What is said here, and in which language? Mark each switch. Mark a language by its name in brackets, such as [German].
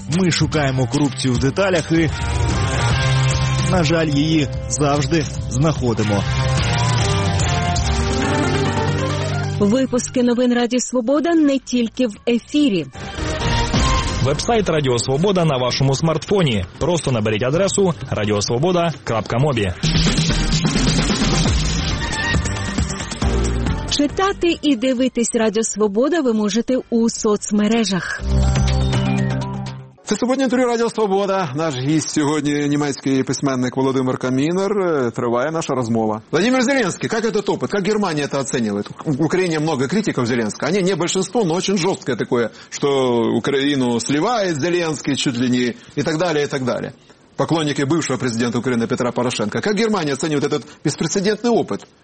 [Ukrainian] Ми шукаємо корупцію в деталях і, на жаль, її завжди знаходимо. Випуски новин Радіо Свобода не тільки в ефірі. Вебсайт Радіо Свобода на вашому смартфоні. Просто наберіть адресу radiosvoboda.mobi. Читати і дивитись Радіо Свобода ви можете у соцмережах. Це суботнє інтерв'ю Радіо Свобода. Наш гість сьогодні німецький письменник Володимир Камінер. Триває наша розмова. [Russian] Владимир Зеленский, как этот опыт? Как Германия это оценивает? В Украине много критиков Зеленского. Они не большинство, но очень жесткое такое, что Украину сливает Зеленский чуть ли не и так далее, и так далее. Поклонники бывшего президента Украины Петра Порошенко. Как Германия оценивает этот беспрецедентный опыт?